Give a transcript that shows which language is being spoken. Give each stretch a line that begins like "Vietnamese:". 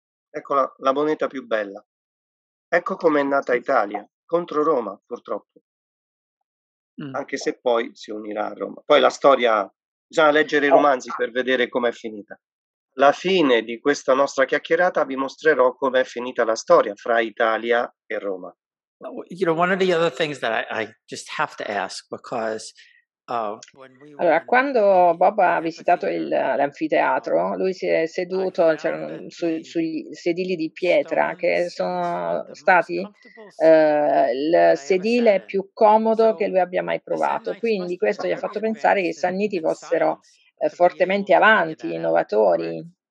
Italian: Ecco la moneta più bella. Ecco com'è nata Italia, contro Roma purtroppo. Anche se poi si unirà a Roma. Poi la storia, bisogna leggere i romanzi per vedere com'è finita. Alla fine di questa nostra chiacchierata vi mostrerò com'è finita la storia fra Italia e Roma.
English: You know, one of the other things that I just have to ask, because
Italian: allora, quando Bob ha visitato l'anfiteatro, lui si è seduto sugli sedili di pietra, che sono stati il sedile più comodo che lui abbia mai provato. Quindi questo gli ha fatto pensare che i Sanniti fossero fortemente avanti, innovatori.